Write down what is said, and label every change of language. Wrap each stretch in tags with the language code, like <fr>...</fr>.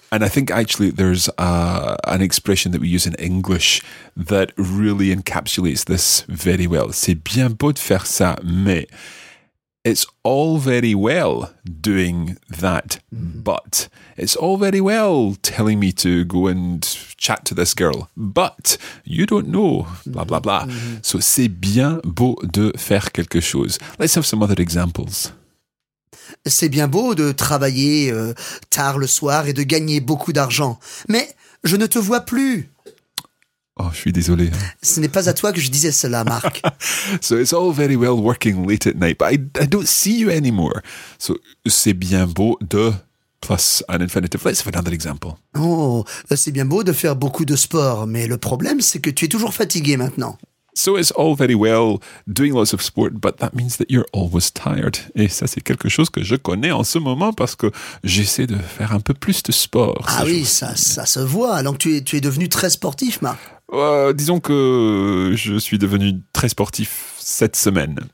<en>And I think actually there's an expression that we use in English that really encapsulates this very well.</en> <fr>C'est bien beau de faire ça, mais</fr> <en>it's all very well doing that, but it's all very well telling me to go and chat to this girl, but you don't know, blah, blah, blah. Mm-hmm. So</en> <fr>c'est bien beau de faire quelque chose.</fr> <en>Let's have some other examples.</en> <fr>C'est bien beau de travailler tard le soir et de gagner beaucoup d'argent, mais je ne te vois plus. Oh, je suis désolé. Ce n'est pas à toi que je disais cela, Marc.</fr> <en>So it's all very well working late at night, but I don't see you anymore. So</en> <fr>c'est bien beau de</fr> <en>plus an infinitive. Let's have another example.</en> <fr>Oh, c'est bien beau de faire beaucoup de sport, mais le problème c'est que tu es toujours fatigué maintenant.</fr> <en>So it's all very well doing lots of sport, but that means that you're always tired.</en> <fr>Et ça, c'est quelque chose que je connais en ce moment parce que j'essaie de faire un peu plus de sport. Ah oui, ça se voit. Donc tu es devenu très sportif, Marc. Disons que je suis devenu très sportif cette semaine.</fr>